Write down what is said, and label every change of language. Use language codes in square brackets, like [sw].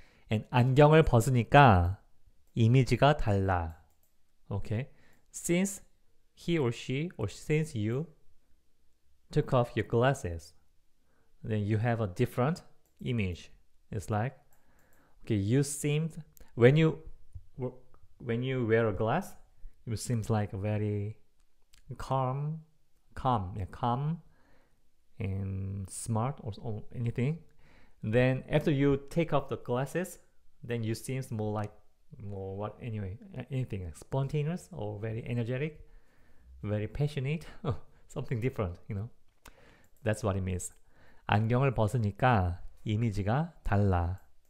[en] And [ko] 안경을 벗으니까 이미지가 달라. [en] Okay. Since he or she, or since you took off your glasses, then you have a different image. It's like, okay, you seemed, when you wear a glass, it seems like a very calm and smart or anything. Then after you take off the glasses, then you seem more like, more what, anyway, anything, like spontaneous or very energetic, very passionate, something different, you know. That's what it means. [ko] 안경을 벗으니까 이미지가 달라.